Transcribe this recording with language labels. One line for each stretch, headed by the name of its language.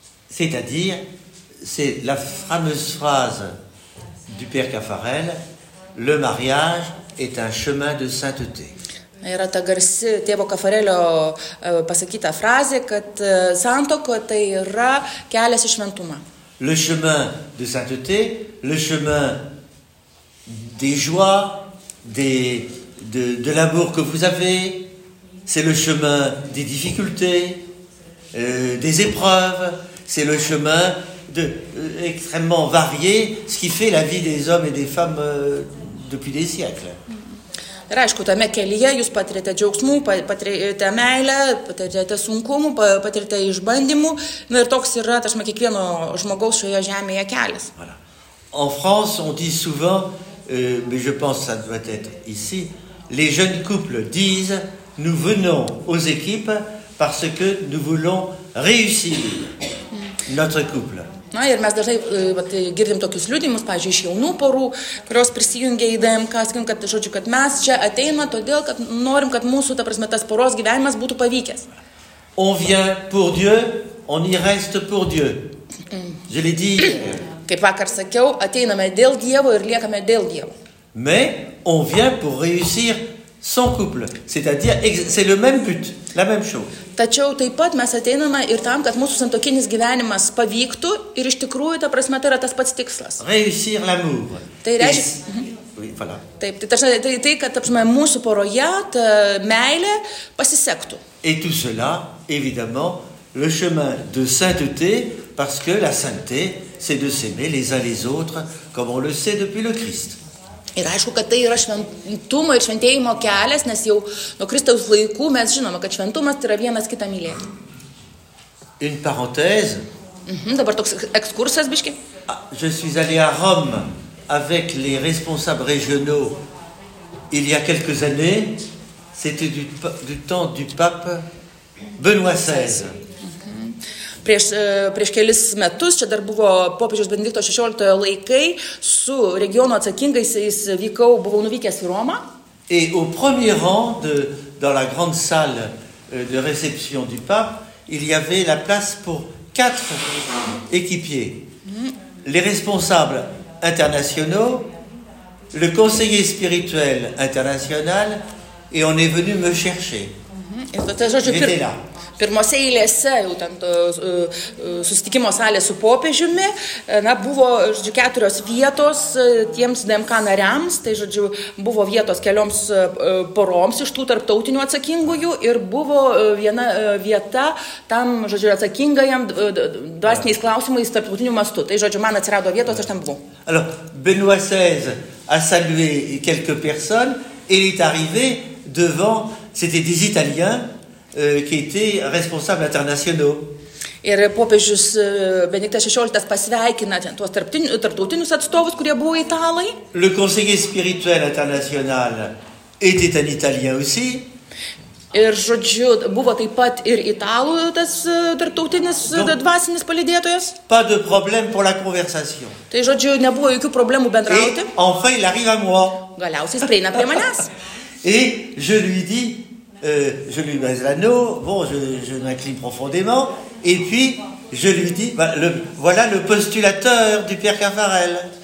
French: C'est-à-dire, c'est la fameuse phrase du père Caffarel, le mariage est un chemin de sainteté.
Lithuanian: Yra ta garsi tėvo Kafarelio pasakyta frazė, kad santoka tai yra kelias į šventumą.
French: Le chemin de sainteté, le chemin des joies, de l'amour que vous avez, c'est le chemin des difficultés, des épreuves, c'est le chemin extrêmement varié, ce qui fait la vie des hommes et des femmes depuis des siècles.
Lithuanian: Ir aišku, tame kelyje jūs patirėte džiaugsmų, patirėte meilę, patirėte sunkumų, patirėte išbandymų. Nu, ir toks yra, tašma, kiekvieno žmogaus šioje žemėje kelias.
French: Voilà. En France, on dit souvent, mais je pense ça doit être ici, les jeunes couples disent, nous venons aux équipes parce que nous voulons réussir notre couple.
Lithuanian: Na, ir mes dažnai girdim tokius liūdimus, pavyzdžiui, iš jaunų porų, kurios prisijungia į DMK, sakim, kad, žodžiu, kad mes čia ateimą, todėl, kad norim, kad mūsų, ta prasme, tas poros gyvenimas būtų pavykęs.
French: On vient pour Dieu, on y reste pour Dieu. Je l'ai dit.
Lithuanian: Kaip vakar sakiau, ateiname dėl Dievo ir liekame dėl Dievo.
French: Mais on vient pour réussir son couple. C'est-à-dire, c'est le même but, la même chose.
Lithuanian: Tačiau taip pat mes ateiname ir tam, kad mūsų santokinis gyvenimas pavyktų ir iš tikrųjų, ta prasme, tai yra tas pats tikslas.
French: Réussir l'amour.
Lithuanian: Tai reiškia... Taip, tai, kad, tarsi, mūsų poroje ta meilė pasisektų.
French: Et tout cela, évidemment, le chemin de sainteté, parce que la sainteté, c'est de s'aimer les uns les autres, comme on le sait depuis le Christ.
Lithuanian: Ir aišku, kad tai yra šventumo ir šventėjimo kelias, nes jau nuo Kristaus laikų mes žinome, kad šventumas tai yra vienas kitą mylėti.
French: Une parenthèse.
Lithuanian: Dabar toks ekskursas biškį.
French: Je suis allé à Rome avec les responsables régionaux il y a quelques années. C'était du temps du pape Benoît XVI.
Lithuanian: Prieš kelis metus, čia dar buvo popiežiaus Benedikto 16 laikai, su regiono atsakingaisiais vykau, buvau nuvykęs į Romą.
French: Et au premier rang dans la grande salle de réception du pape, il y avait la place pour 4 équipiers. Les responsables internationaux, le conseiller spirituel international, et on est venu me chercher. J'étais là.
Lithuanian: Pirmose eilėse, jau ten susitikimo salė su popiežiumi, na, buvo, žodžiu, 4 vietos tiems DMK nariams, tai, žodžiu, buvo vietos kelioms poroms iš tų tarptautinių atsakingųjų ir buvo viena vieta tam, žodžiu, atsakingajam dvasiniais klausimais tarptautiniu mastu. Tai, žodžiu, man atsirado vietos, aš ten buvau.
French: Alors, Benoît XVI a salué quelques personnes et il est arrivé devant, c'était des Italiens, qui était responsable internationaux.
Lithuanian: Ir popiežius Benediktas 16 pasveikina tuos tarptautinius atstovus, kurie buvo italai.
French: Le conseiller spirituel international était un italien aussi.
Lithuanian: Ir žodžiu, buvo taip pat ir italų tas tarptautinis dvasinis palydėtojas.
French: Pas de problème pour la conversation.
Lithuanian: Tai žodžiu, nebuvo jokių problemų bendrauti.
French: Enfin, il arrive à moi.
Lithuanian: Galiausiai jis prieina prie manęs.
French: Et je lui dis je lui baise l'anneau, bon, je m'incline profondément, et puis je lui dis, voilà le postulateur du Père Caffarel.